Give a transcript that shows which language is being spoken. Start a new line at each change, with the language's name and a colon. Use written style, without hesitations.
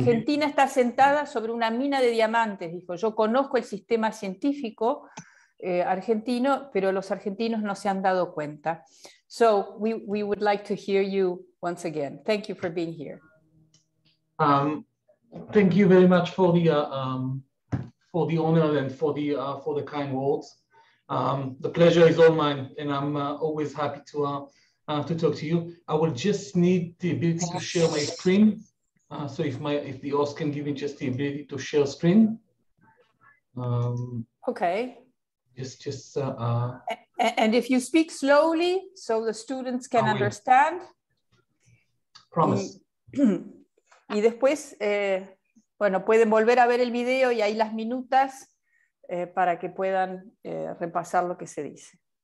Spanish: Argentina está sentada sobre una mina de diamantes, dijo. Yo conozco el sistema científico argentino, pero los argentinos no se han dado cuenta.
English: So we would like to hear you once again. Thank you for being here. Thank you very much for the honor and for the kind words. The pleasure is all mine, and I'm always happy to talk to you. I will just need the ability to share my screen. So if the host can give me just the ability to share screen. Okay. And if you speak slowly, so the students can understand. Promise.
Spanish: Y después, bueno, pueden volver a ver el video y ahí las minutas para que puedan repasar lo que se dice.